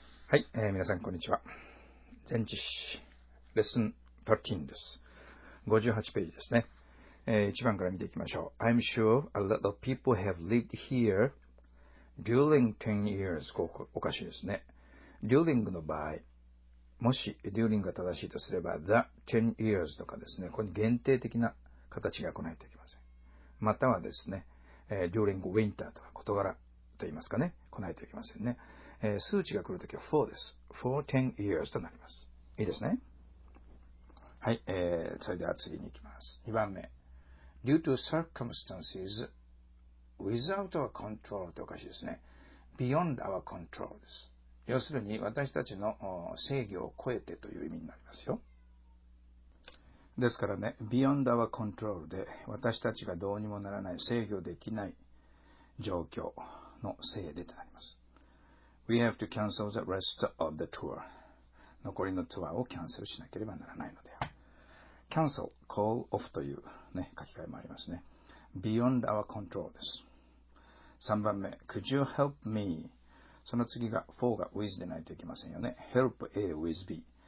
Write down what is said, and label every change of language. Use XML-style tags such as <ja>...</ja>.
<ja>はい、皆さんこんにちは。全知識レッスン13です。58ページですね。 1番から見ていきましょう。</ja> <en>I'm sure a lot of people have lived here during 10 years。</en> <ja>おかしいですね。during の場合、もし during が正しいとすれば the 10 years とかですね、ここに限定的な形が来ないといけません。またはですね、 during winter とか事柄と言いますかね、来ないといけませんね。数値が来るときは4です。 for 10 years となります。いいですね。はい、それでは次に行きます。 2番目。 due to circumstances without our control っておかしいですね。</ja> <en>beyond our control です。</en> <ja>要するに私たちの制御を超えてという意味になりますよ。ですからね、 beyond our control で私たちがどうにもならない、制御できない状況のせいでとなります。</ja> <en>We have to cancel the rest of the tour.</en> <ja>残りのツアーをキャンセルしなければならないので。 Cancel, call off という、ね、書き換えもありますね。 Beyond our control です。</ja> <en>3番目、Could you help me?</en> <ja>その次が4が with でないといけませんよね。</ja> <en>Help A with B。</en>